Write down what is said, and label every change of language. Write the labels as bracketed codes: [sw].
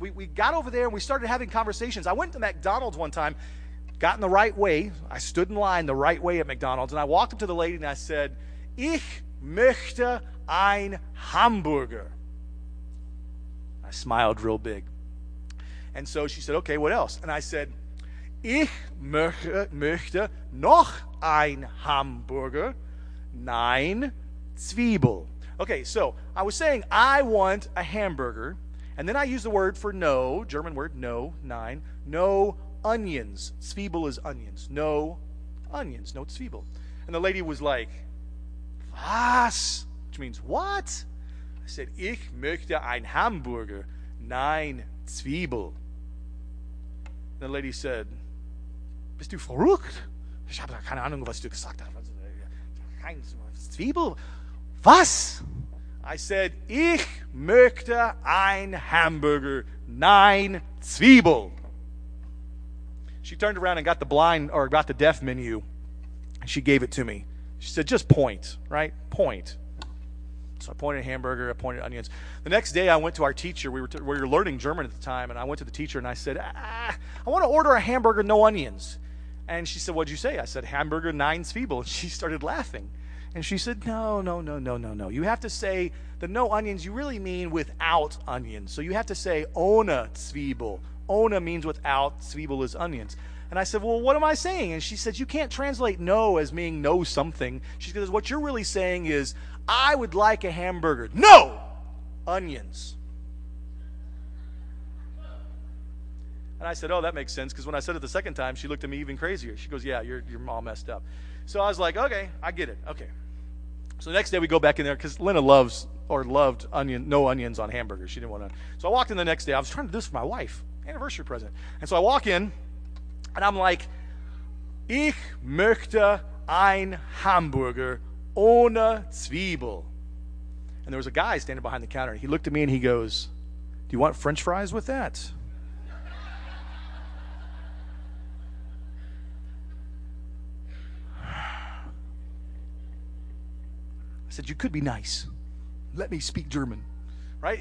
[en] We got over there and we started having conversations. I went to McDonald's one time, got in the right way. I stood in line the right way at McDonald's, and I walked up to the lady and I said, [de] Ich möchte ein Hamburger. [en] I smiled real big. And so she said, okay, what else? And I said, [de] ich möchte noch ein Hamburger, nein, Zwiebel. [en] Okay, so I was saying, I want a hamburger. And then I use the word for no, German word, no, nine, no onions. Zwiebel is onions. No onions, no Zwiebel. And the lady [de] was [en] like, was? Which means what? I said, [de] ich möchte ein Hamburger, nein, Zwiebel. [en] And the lady said, [de] bist du verrückt? Ich habe keine Ahnung, was du gesagt hast. Kein Zwiebel? Was? [en] I said, [de] ich möchte ein Hamburger, nein Zwiebel. [en] She turned around and got the blind, or got the deaf menu. She gave it to me. She said, just point, right? Point. So I pointed a hamburger, I pointed onions. The next day I went to our teacher. We were learning German at the time. And I went to the teacher and I said, I want to order a hamburger, no onions. And she said, what'd you say? I said, [de] hamburger, nein Zwiebel. [en] She started laughing. And she said, no. You have to say the no onions, you really mean without onions. So you have to say [de] ohne Zwiebel. [en] Ohne means without, Zwiebel is onions. And I said, well, what am I saying? And she said, you can't translate no as meaning no something. She says, what you're really saying is, I would like a hamburger. No onions. And I said, oh, that makes sense. Because when I said it the second time, she looked at me even crazier. She goes, yeah, your mom messed up. So I was like, okay, I get it. Okay. So the next day we go back in there because Lena loved onion, no onions on hamburgers. She didn't want to. So I walked in the next day. I was trying to do this for my wife, anniversary present. And so I walk in and I'm like, [de] ich möchte ein Hamburger ohne Zwiebel. [en] And there was a guy standing behind the counter. And he looked at me and he goes, do you want French fries with that? Said, you could be nice. Let me speak German. Right?